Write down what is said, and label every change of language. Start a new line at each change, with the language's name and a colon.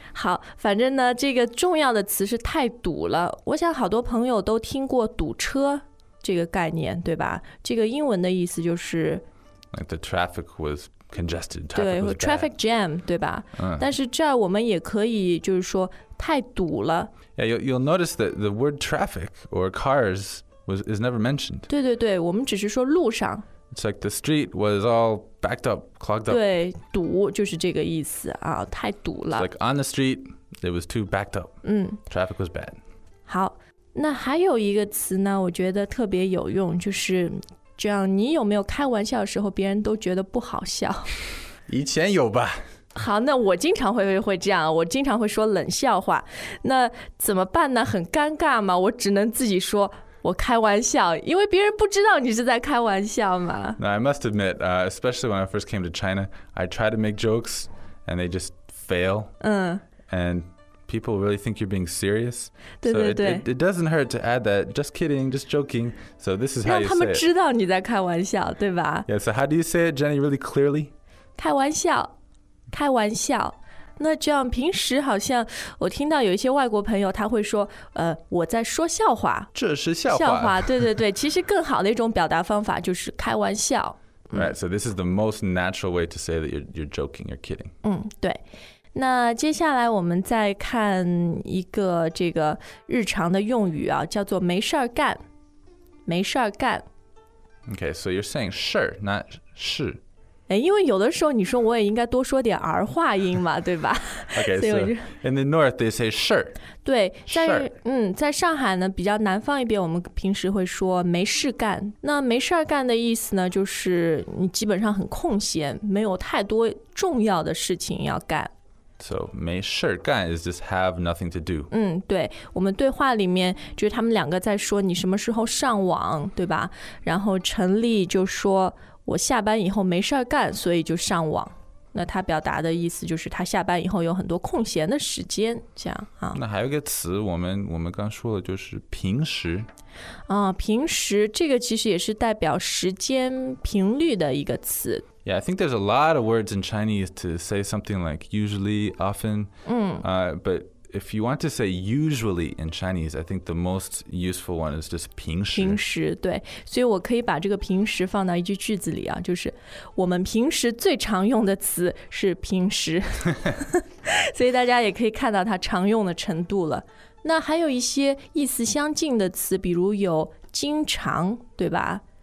Chinese: 好，反正呢，这个重要的词是太堵了。我想好多朋友都听过堵车这个概念，对吧？这个英文的意思就是
English: like the traffic was congested.
Chinese: 对 ，
English: traffic jam，
Chinese: 对吧？但是这儿我们也可以就是说太堵了。
English: Yeah, you'll notice that the word traffic or cars is never mentioned.
Chinese: 对对对，我们只是说路上。
English: It's like the street was all backed up, clogged up.
Chinese: 对，堵就是这个意思啊，太堵了。
English: It's like on the street, it was too backed up. Traffic was bad.
Chinese: 好，那还有一个词呢，我觉得特别有用，就是这样，你有没有开玩笑的时候别人都觉得不好笑？以前有吧。好，那我经常 会这样，我经常会说冷笑话，那怎么办呢？很尴尬嘛，我只能自己说我开玩笑，因为别人不知道你是在开玩笑嘛。
English: Now, I must admit, especially when I first came to China, I try to make jokes and they just fail. And people really think you're being serious.
Chinese: 对对对。
English: So it doesn't hurt to add that, just kidding, just joking. So this is how you say it.
Chinese: 让他们知道你在开玩笑，对吧？
English: Yeah, so how do you say it, Jenny, really clearly?
Chinese: 开玩笑，开玩笑。那这样平时好像我听到有一些外国朋友他会说我在说笑话，这是笑话。笑话，对对对。其实更好的一种表达方法就是开玩笑。
English: Right, so this is the most natural way to say that you're joking, you're kidding.
Chinese: 嗯，对。那接下来我们再看一个这个日常的用语啊，叫做没事干，没事干。
English: Okay, so you're saying 事 not 事。
Chinese: 哎，因为有的时候你说我也应该多说点儿化音嘛，对吧？
English: Okay, so in the north they say 事儿。
Chinese: 对，在在上海呢，比较南方一边，我们平时会说没事干。那没事干的意思呢，就是你基本上很空闲，没有太多重要的事情要干。
English: So 没事干 is just have nothing to do.
Chinese: 嗯，对，我们对话里面就是他们两个在说你什么时候上网，对吧？然后陈丽就说，我下班以后没事干，所以就上网。那他表达的意思就是他下班以后有很多空闲的时间，这样啊。那还有一个词，我们刚说的就是平时。啊，平时这个其实也是代表时间频率的一个词。
English: Yeah, I think there's a lot of words in Chinese to say something like usually, often. But if you want to say usually in Chinese, I think the most useful one is just 平时。
Chinese: 平时，对，所以我可以把这个平时放到一句句子里啊，就是我们平时最常用的词是平时。所以大家也可以看到它常用的程度了。那还有一些意思相近的词，比如有经常，对吧？